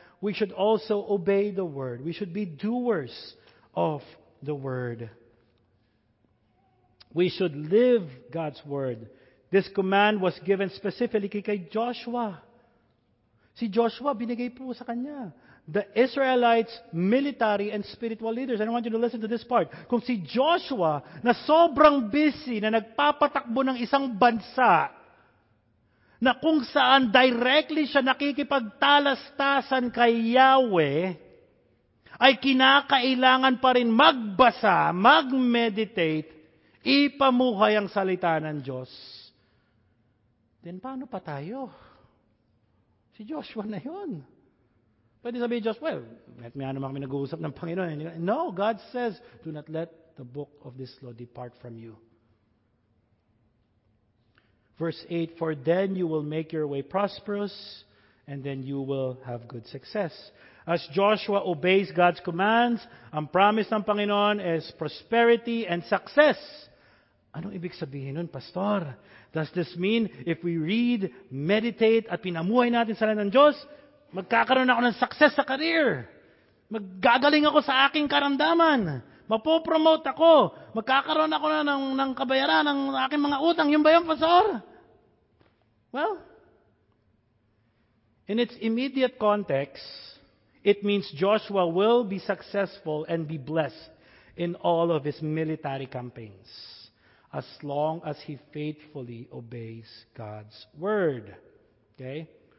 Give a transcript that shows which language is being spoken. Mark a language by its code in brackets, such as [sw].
[en] We should also obey the Word. We should be doers of the Word. We should live God's Word. This command was given specifically kay Joshua. [tl] Si Joshua, binigay po sa kanya. [en] The Israelites' military and spiritual leaders. And I want you to listen to this part. [tl] Kung si Joshua, na sobrang busy, na nagpapatakbo ng isang bansa, na kung saan directly siya nakikipagtalastasan kay Yahweh, ay kinakailangan pa rin magbasa, magmeditate, ipamuhay ang salita ng Diyos. Then paano pa tayo? Si Joshua na yun. Pwede sabihin, Joshua, well, may mga naman kami nag-uusap ng Panginoon. [en] No, God says, do not let the book of this law depart from you. Verse 8, for then you will make your way prosperous, and then you will have good success. As Joshua obeys God's commands, ang promise ng Panginoon is prosperity and success. [tl] Anong ibig sabihin nun, Pastor? [en] Does this mean if we read, meditate, [tl] at pinamuhay natin sa salita ng Diyos, magkakaroon ako ng success sa career? Maggagaling ako sa aking karamdaman? Mapopromote ako? Magkakaroon ako na ng kabayaran ng aking mga utang? Yun ba yun, Pastor? [en] Well, in its immediate context, it means Joshua will be successful and be blessed in all of his military campaigns as long as he faithfully obeys God's Word. Okay?